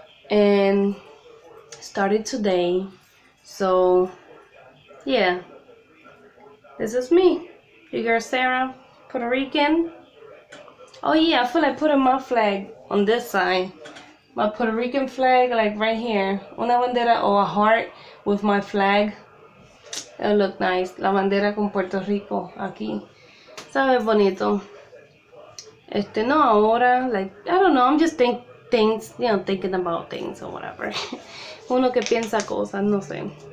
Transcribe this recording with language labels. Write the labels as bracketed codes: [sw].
[en] And started today. So, yeah. This is me. Your girl Sarah, Puerto Rican. Oh yeah, I feel like putting my flag on this side. My Puerto Rican flag, like right here. [es] Una bandera [en] or a heart with my flag. It'll look nice. [es] La bandera con Puerto Rico, aquí. Sabe bonito. No ahora, [en] like, I don't know, I'm just thinking about things or whatever. [es] Uno que piensa cosas, no sé.